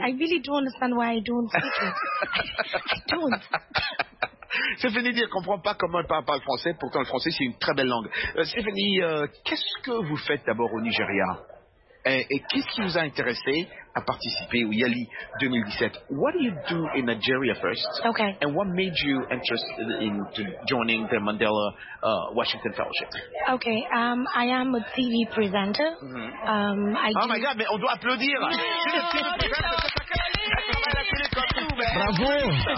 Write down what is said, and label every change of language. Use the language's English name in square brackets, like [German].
[English] I really don't understand why I don't speak it. I don't. [French] Stéphanie dit, elle ne comprend pas comment elle parle français. Pourtant, le français, c'est une très belle langue. Stéphanie, qu'est-ce que vous faites d'abord au Nigeria? Et qu'est-ce qui vous a intéressé à participer au Yali 2017? [English] What do you do in Nigeria first? Okay. And what made you interested in joining the Mandela Washington Fellowship? Okay. I am a TV presenter. Mm-hmm. My God, [French] mais on doit applaudir. Bravo.